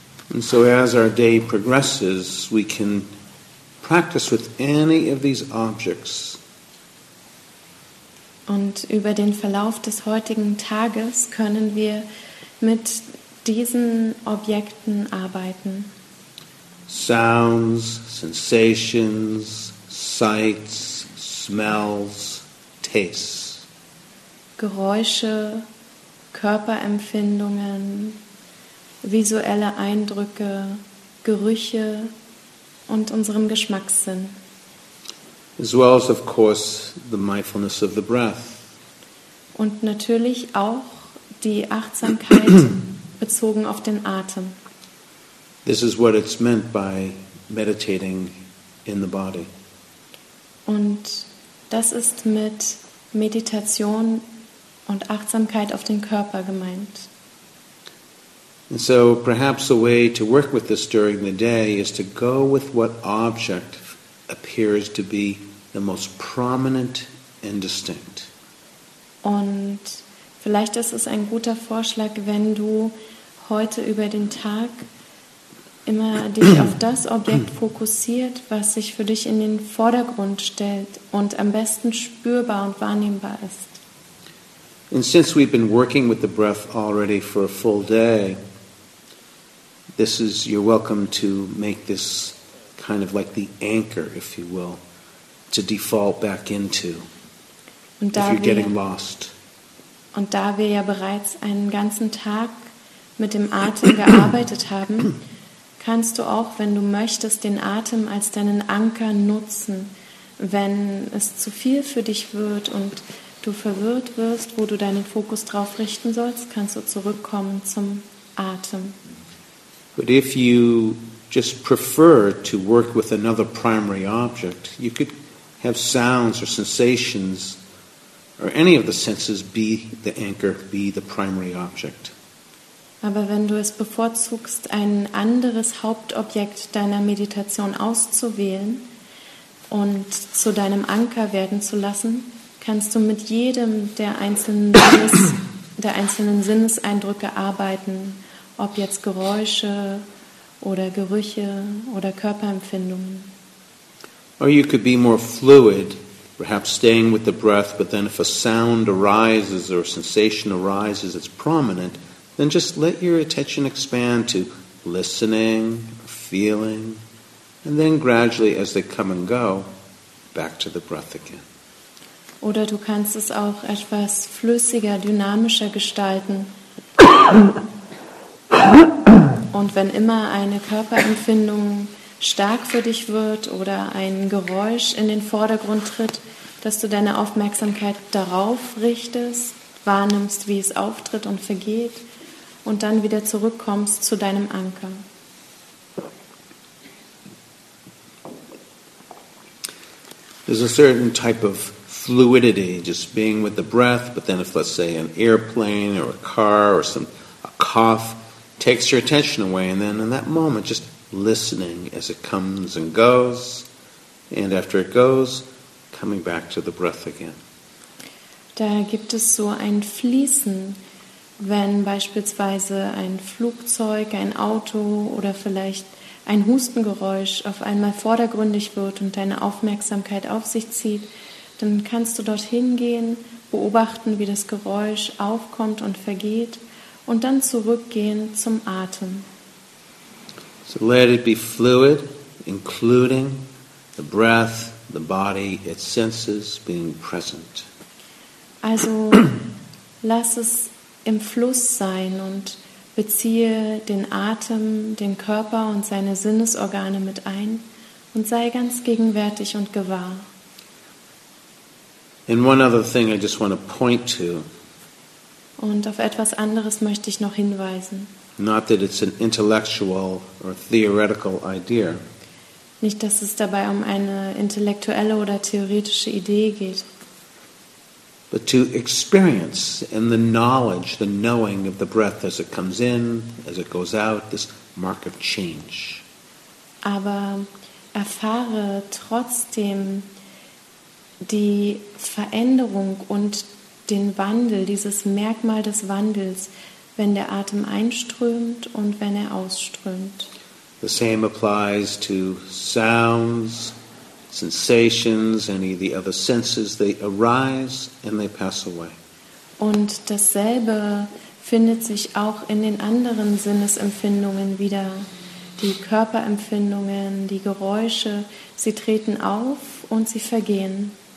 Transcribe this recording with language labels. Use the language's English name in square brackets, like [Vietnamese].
[English] And so as our day progresses, we can practice with any of these objects. [German] Und über den Verlauf des heutigen Tages können wir mit diesen Objekten arbeiten. [English] Sounds, sensations, sights, smells, tastes. [German] Geräusche, Körperempfindungen, visuelle Eindrücke, Gerüche und unserem Geschmackssinn. [English] As well as, of course, the mindfulness of the breath. [German] Und natürlich auch die Achtsamkeit bezogen auf den Atem. [English] This is what it's meant by meditating in the body. [German] Und das ist mit Meditation und Achtsamkeit auf den Körper gemeint. [English] And so perhaps a way to work with this during the day is to go with what object appears to be the most prominent and distinct. [German] Und vielleicht ist es ein guter Vorschlag, wenn du heute über den Tag immer dich auf das Objekt fokussiert, was sich für dich in den Vordergrund stellt und am besten spürbar und wahrnehmbar ist. [English] And since we've been working with the breath already for a full day, this is, you're welcome to make this kind of like the anchor, if you will, to default back into, [German] und da [English] if you're [German] wir, [English] getting lost. [German] Und da wir ja bereits einen ganzen Tag mit dem Atem gearbeitet haben, kannst du auch, wenn du möchtest, den Atem als deinen Anker nutzen, wenn es zu viel für dich wird und du verwirrt wirst, wo du deinen Fokus drauf richten sollst, kannst du zurückkommen zum Atem. [English] But if you just prefer to work with another primary object, you could have sounds or sensations or any of the senses be the anchor, be the primary object. [German] Aber wenn du es bevorzugst, ein anderes Hauptobjekt deiner Meditation auszuwählen und zu deinem Anker werden zu lassen, kannst du mit jedem der einzelnen Sinneseindrücke arbeiten, ob jetzt Geräusche oder Gerüche oder Körperempfindungen. [English] Or you could be more fluid, perhaps staying with the breath, but then if a sound arises or a sensation arises that's prominent, then just let your attention expand to listening, feeling, and then gradually as they come and go, back to the breath again. [German] Oder du kannst es auch etwas flüssiger, dynamischer gestalten. Und wenn immer eine Körperempfindung stark für dich wird oder ein Geräusch in den Vordergrund tritt, dass du deine Aufmerksamkeit darauf richtest, wahrnimmst, wie es auftritt und vergeht und dann wieder zurückkommst zu deinem Anker. [English] There's a certain type of fluidity, just being with the breath, but then if, let's say, an airplane or a car or a cough takes your attention away, and then in that moment, just listening as it comes and goes, and after it goes, coming back to the breath again. [German] Da gibt es so ein Fließen, wenn beispielsweise ein Flugzeug, ein Auto oder vielleicht ein Hustengeräusch auf einmal vordergründig wird und deine Aufmerksamkeit auf sich zieht, dann kannst du dorthin gehen, beobachten, wie das Geräusch aufkommt und vergeht und dann zurückgehen zum Atem. [English] So let it be fluid, including the breath, the body, its senses being present. [German] Also lass es im Fluss sein und beziehe den Atem, den Körper und seine Sinnesorgane mit ein und sei ganz gegenwärtig und gewahr. [English] And one other thing I just want to point to. [German] Und auf etwas anderes möchte ich noch hinweisen. [English] Not that it's an intellectual or theoretical idea. [German] Nicht, dass es dabei um eine intellektuelle oder theoretische Idee geht. [English] But to experience in the knowledge, the knowing of the breath as it comes in, as it goes out, this mark of change. [German] Aber erfahre trotzdem die Veränderung und den Wandel, dieses Merkmal des Wandels, wenn der Atem einströmt und wenn er ausströmt. [English] The same applies to sounds, sensations, any of the other senses, they arise and they pass away. [German] Und dasselbe findet sich auch in den anderen Sinnesempfindungen wieder. Die Körperempfindungen, die Geräusche, sie treten auf und sie vergehen.